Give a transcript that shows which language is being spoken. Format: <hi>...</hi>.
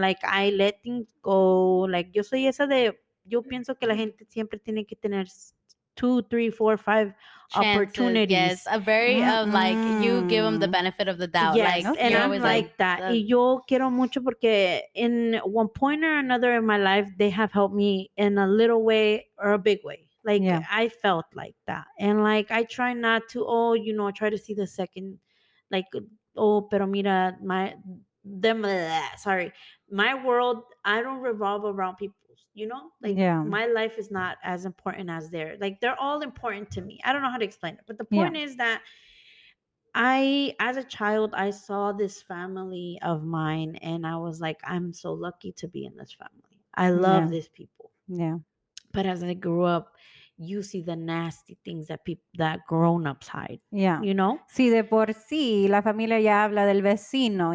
<en>Like, I let things go.</en> <es>Like, yo soy esa de, yo pienso que la gente siempre tiene que tener</es> <en>2, 3, 4, 5 chances, opportunities. Yes, a very like you give them the benefit of the doubt. Yes, like, and I'm like that. The...</en> <es>Y yo quiero mucho porque</es> <en>in one point or another in my life, they have helped me in a little way or a big way. Like, yeah. I felt like that. And, like, I try not to, oh, you know, try to see the second, like, oh,</en> <es>pero mira,</es> <en>my, them, blah, sorry. My world, I don't revolve around people's, you know? Like, yeah. My life is not as important as theirs. Like, they're all important to me. I don't know how to explain it. But the point is that I, as a child, I saw this family of mine and I was like, I'm so lucky to be in this family. I love these people. Yeah. But as I grew up, you see the nasty things that people, that grown-ups hide. Yeah. You know?</en> <es>Sí, de por sí, la familia ya habla del vecino.</es>